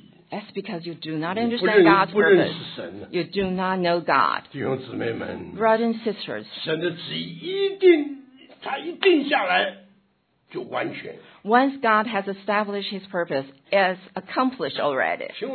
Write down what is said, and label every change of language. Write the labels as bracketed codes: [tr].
[en] That's because you do not understand God's purpose. You do not know God. [zh] 弟兄姊妹们, [en] brothers and sisters, [zh] 神的旨意一定, 他一定下来, 就完全。 [en] Once God has established his purpose, it's accomplished already.